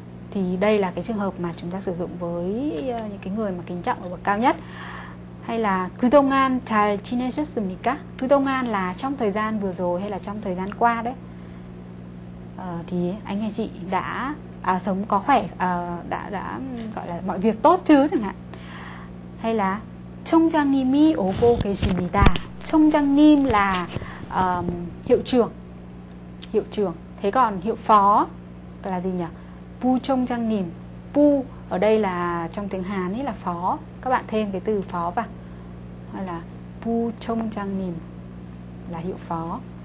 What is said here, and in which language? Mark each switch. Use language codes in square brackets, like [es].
[vi] Thì đây là cái trường hợp mà chúng ta sử dụng với những cái người mà kính trọng ở bậc cao nhất. Hay là [ko] 그동안 잘 지내셨습니까? [vi] 그동안 là trong thời gian vừa rồi hay là trong thời gian qua đấy. Thì anh hay chị đã sống có khỏe, đã gọi là mọi việc tốt chứ chẳng hạn. Hay là [ko] 총장님이 오고 계십니다. [vi] 총장님 là hiệu trưởng. Thế còn hiệu phó là gì nhỉ? [ko] 부총장님. [vi] 부 ở đây là trong tiếng Hán ấy là phó, các bạn thêm cái từ phó vào. Hay là 부총장님 là hiệu phó.